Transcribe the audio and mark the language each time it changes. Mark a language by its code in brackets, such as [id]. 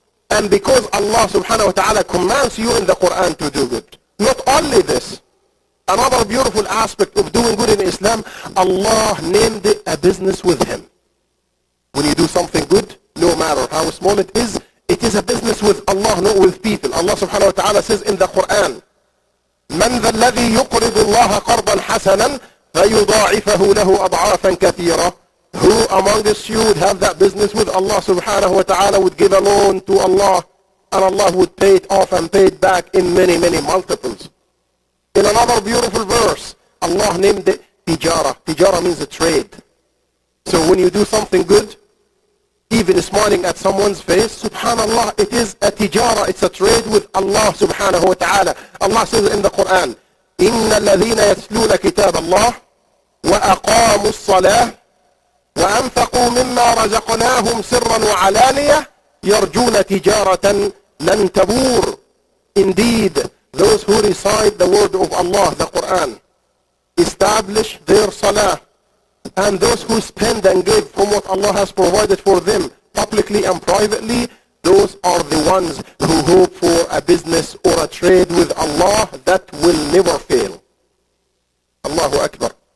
[en] And because Allah subhanahu wa ta'ala commands you in the Quran to do good. Not only this, another beautiful aspect of doing good in Islam, Allah named it a business with him. When you do something good, no matter how small it is a business with Allah, not with people. Allah subhanahu wa ta'ala says in the Quran, [ar] مَنْ ذَا الَّذِي يُقْرِضُ اللَّهَ قَرْضًا حَسَنًا فَيُضَاعِفَهُ لَهُ أَضْعَافًا كَثِيرًا. [en] Who amongst you would have that business with Allah subhanahu wa ta'ala, would give a loan to Allah and Allah would pay it off and pay it back in many, many multiples. In another beautiful verse, Allah named it tijara. Tijara means a trade. So when you do something good, even smiling at someone's face, subhanallah, it is a tijara. It's a trade with Allah subhanahu wa ta'ala. Allah says in the Quran, [ar] إِنَّ الَّذِينَ يَتْلُونَ كِتَابَ اللَّهِ وَأَقَامُوا الصَّلَاةِ وَأَنْفَقُوا مِمَّا رَزَقْنَاهُمْ سِرًّا وَعَلَانِيَةً يَرْجُونَ تِجَارَةً لَنْ تَبُورُ. [en] Indeed, those who recite the word of Allah, the Quran, establish their salah, And those who spend and give from what Allah has provided for them publicly and privately, those are the ones who hope for a business or a trade with Allah that will never fail. Allahu Akbar.